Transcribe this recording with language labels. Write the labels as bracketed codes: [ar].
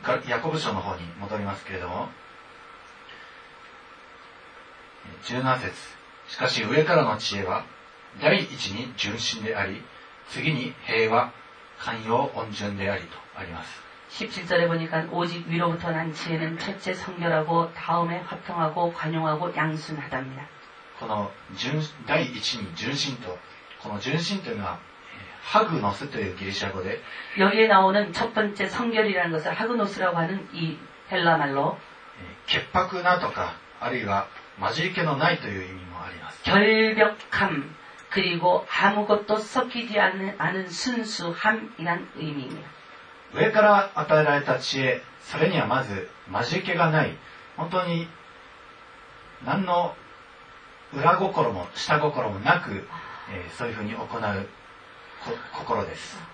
[ko] 야고보서의 [ja] 方に戻りますけれども17節しかし上からの知恵は第一に純真であり次に平和寛容温順でありとあります [ko] 17절에보니까오직위로부터난지혜는첫째성결하고다음에화평하고관용하고양순하답니다 [ja] この第一に純真とこの純真というのはハグノスというギリシャ語で [ko] 여기에나오는첫번째성결이라는것을하그노스라고하는이헬라말로 [ja] 潔白なとかあるいは混じり気のないという意味もあります [ko] 결벽함그리고아무것도섞이지않 않은순수함이란의미입니다 [ja] 上から与えられた知恵、それにはまず混じり気がない、本当に何の裏心も下心もなく、そういうふうに行う心です。